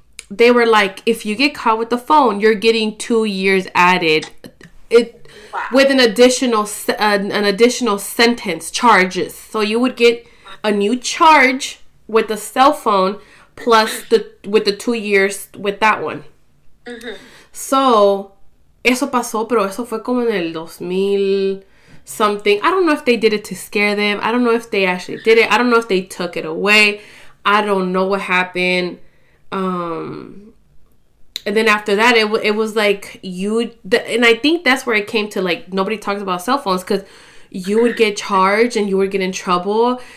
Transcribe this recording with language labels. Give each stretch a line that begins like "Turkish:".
English: they were like, if you get caught with the phone, you're getting 2 years added. With an additional sentence, charges. So you would get a new charge with the cell phone plus with the 2 years with that one. Mm-hmm.
Spanish: So, eso pasó, pero eso fue como en el 2000 something.
English: I don't know if they did it to scare them. I don't know if they actually did it. I don't know if they took it away. I don't know what happened. And then after that, it was like and I think that's where it came to, like, nobody talks about cell phones because you would get charged and you would get in trouble.